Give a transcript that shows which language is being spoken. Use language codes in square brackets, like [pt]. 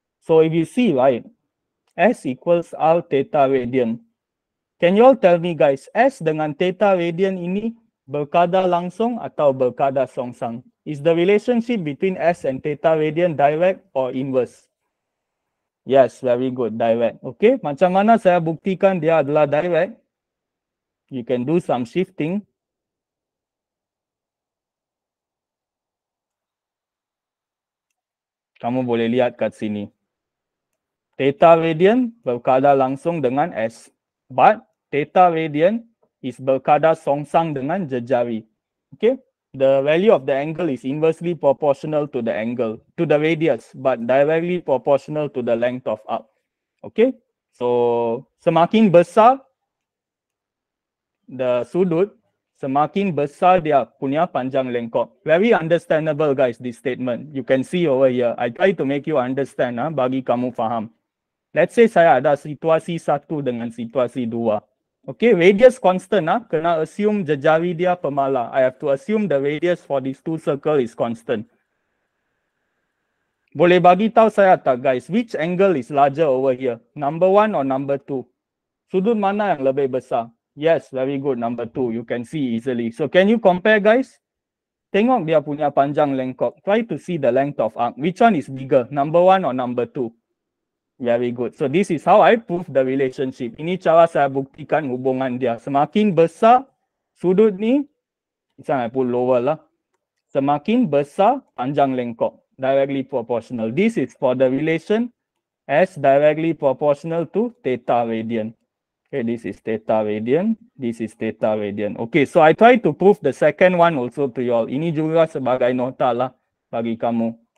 [en] So, if you see, right, S equals R theta radian. Can you all tell me, guys, [ms] S dengan theta radian ini berkadar langsung atau berkadar songsang? [en] Is the relationship between S and theta radian direct or inverse? Yes, very good, direct. [ms] Okay, macam mana saya buktikan dia adalah direct? [en] You can do some shifting. [ms] Kamu boleh lihat kat sini. Theta radian berkadar langsung dengan S. [en] But theta radian is [ms] berkadar songsang dengan jejari. Okay? [en] The value of the angle is inversely proportional to the angle, to the radius, but directly proportional to the length of arc. [ms] Okay? So, semakin besar the sudut, semakin besar dia punya panjang lengkok. [en] Very understandable, guys, this statement. You can see over here. I try to make you understand, [ms] bagi kamu faham. [en] Let's say [ms] saya ada situasi 1 dengan situasi 2. [en] Okay, radius constant. [ms] Kena assume jejari dia pemalar. [en] I have to assume the radius for these two circles is constant. [ms] Boleh bagi tahu saya tak guys, [en] which angle is larger over here? Number one or number two? [ms] Sudut mana yang lebih besar? [en] Yes, very good. Number two, you can see easily. So can you compare guys? [ms] Tengok dia punya panjang lengkok. [en] Try to see the length of arc. Which one is bigger? Number one or number two? Very good. So this is how I prove the relationship. [ms] Ini cara saya buktikan hubungan dia. Semakin besar sudut ni, saya pun lower lah. Semakin besar panjang lengkok. [en] Directly proportional. This is for the relation S directly proportional to theta radian. Okay, this is theta radian. This is theta radian. Okay, so I try to prove the second one also to you all. [ms] Ini juga sebagai nota lah bagi kamu.